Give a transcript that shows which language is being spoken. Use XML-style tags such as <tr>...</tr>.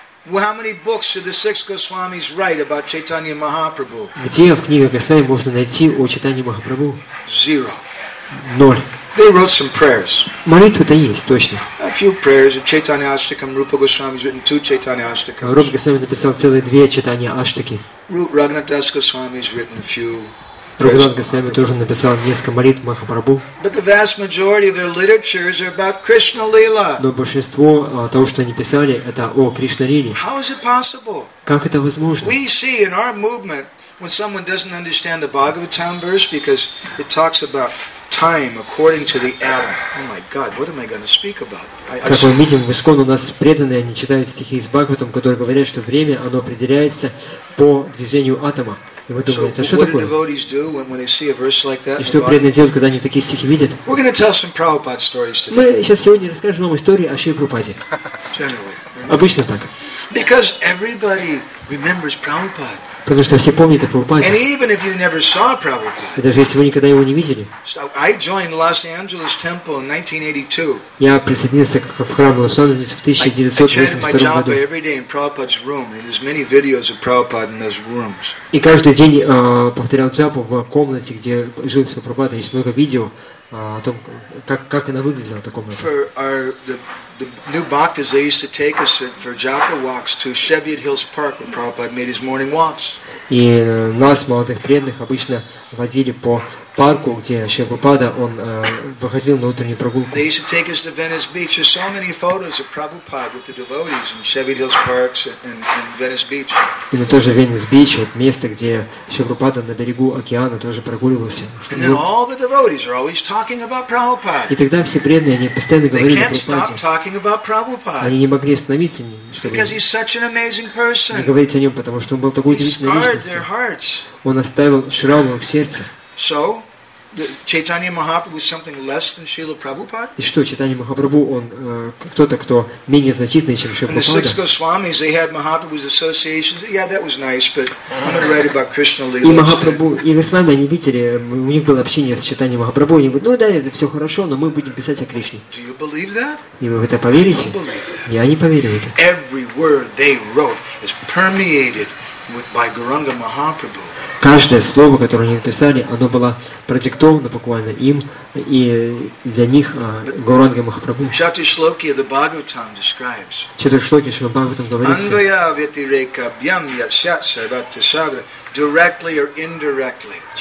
<en>Well, how many books did the six Goswamis write about Chaitanya Mahaprabhu?</en> <ru>Где в книгах Госвами можно найти о Чайтанье Махапрабху?</ru> <en>Zero.</en> <ru>Ноль.</ru> <en>They wrote some prayers.</en> <ru>Молитвы-то есть, точно.</ru> <en>A few prayers. Chaitanya Ashtakam. Rupa Goswami has written two Chaitanya Ashtakams.</en> <ru>Rupa Goswami написал целые две Чайтанья Аштаки.</ru> <en>Raghunath Das Goswami has written a few.</en> <ru>Raghunath Das Goswami тоже написал несколько молитв Махапрабху.</ru> <en>But the vast majority of their literatures are about Krishna Lila.</en> <ru>Но большинство того, что они писали, это о Кришна Лиле.</ru> <en>How is it possible?</en> <ru>Как это возможно?</ru> <en>We see in our movement when someone doesn't understand the Bhagavatam verse because it talks about time according to the atom. Oh my God, what am I going to speak about?</en> <ru>Как мы видим, в ИСККОН у нас преданные, они читают стихи из Бхагаватам, которые говорят, что время, оно определяется по движению атома. И мы думаем, это что такое? И что преданные делают, когда они такие стихи видят?</ru> <en>We're going to tell some Prabhupada stories today.</en> <ru>Мы сейчас сегодня расскажем вам истории о Шри Прабхупаде. Обычно так.</ru> <en>Because everybody remembers Prabhupada.</en> <ru>Потому что все помнят о Прабхупаде.</ru> <en>And even if you never saw Prabhupada.</en> <ru>И даже если вы никогда его не видели.</ru> <en>So I joined Los Angeles Temple in 1982.</en> <ru>Я присоединился в храм Лос-Анджелеса в 1982 году.</ru> <en>I chanted every day in Prabhupada's room, and there's many videos of Prabhupada in those rooms.</en> <ru>И каждый день повторял джапу в комнате, где жил свой Прабхупада. Есть много видео о том, как она выглядела, эта комната.</ru> <en>For our the new bhaktas, they used to take us for japa walks to Cheviot Hills Park, where Prabhupada made his morning walks.</en> <ru>И нас, молодых преданных, обычно водили по парку, где Шри Прабхупада, он выходил на утреннюю прогулку.</ru> <en>They used to take us to Venice Beach. There's so many photos of Prabhupada with the devotees in Cheviot Hills Park and Venice Beach.</en> <ru>И на тоже Venice Beach, вот место, где Шри Прабхупада на берегу океана тоже прогуливался.</ru> <en>And then all the devotees are always talking about Prabhupada.</en> <ru>И тогда все преданные, они постоянно говорили о Прабхупаде.</ru> <en>They can't stop talking about Prabhupada.</en> <ru>Они не могли остановиться, чтобы</ru> <en>because he's such an amazing person.</en> <ru>Не говорить о нем, потому что он был такой удивительной личностью. Он оставил шрам в их сердце.</ru> <en>So, Chaitanya Mahaprabhu is something less than Srila Prabhupada?</en> <ru>И что, Чайтанья Махапрабху, он кто-то, кто менее значительный, чем Шрила Прабхупада?</ru> <en>And the six Goswamis, they had Mahaprabhu's associations. Yeah, that was nice, but I'm going to write about Krishna Lila.</en> <ru>И Махапрабху, и Госвами, они видели, у них было общение с Чайтанья Махапрабху, они говорят, ну да, это все хорошо, но мы будем писать о Кришне.</ru> <en>Do you believe that?</en> <ru>И вы в это поверите?</ru> <en>I don't believe that.</en> <ru>Я не поверю в это.</ru> <en>Every word they wrote is permeated by Gauranga Mahaprabhu.</en> <ru>Каждое слово, которое они написали, оно было продиктовано буквально им и для них Гауранга Махапрабху.</ru> <en>Чатушлоки the Bhagavatam describes.</en> <ru>Чатушлоки Шрила Бхагаватам говорит.</ru> <sa>Анвая ветирека бьям ясят сарвата сагра</sa> <en>directly or indirectly.</en>